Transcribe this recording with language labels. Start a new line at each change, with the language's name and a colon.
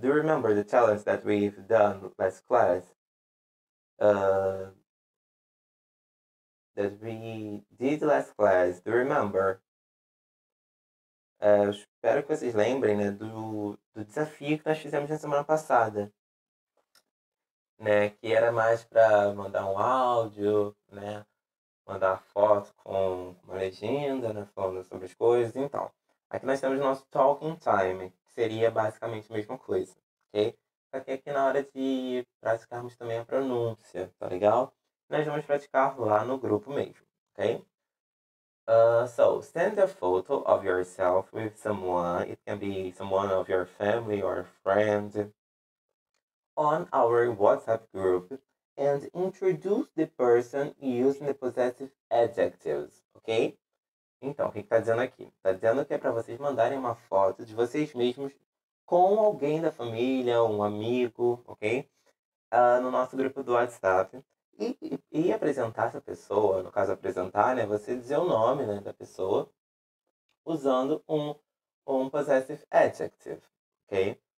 English: Do you remember the challenge that we've done last class? That we did last class, do you remember?
Portuguese: Eu espero que vocês lembrem, né, do desafio que nós fizemos na semana passada, né, que era mais para mandar um áudio, né, mandar foto com uma legenda, né, falando sobre as coisas. Então, aqui nós temos o nosso talking time, que seria basicamente a mesma coisa, ok? Só que aqui na hora de praticarmos também a pronúncia, tá legal? Nós vamos praticar lá no grupo mesmo, ok?
English: So, send a photo of yourself with someone. It can be someone of your family or friend on our WhatsApp group and introduce the person using the possessive adjectives, ok?
Portuguese: Então, o que está dizendo aqui? Está dizendo que é para vocês mandarem uma foto de vocês mesmos com alguém da família, um amigo, ok? No nosso grupo do WhatsApp. E apresentar essa pessoa, no caso apresentar, né, você dizer o nome, né, da pessoa usando um possessive adjective, ok?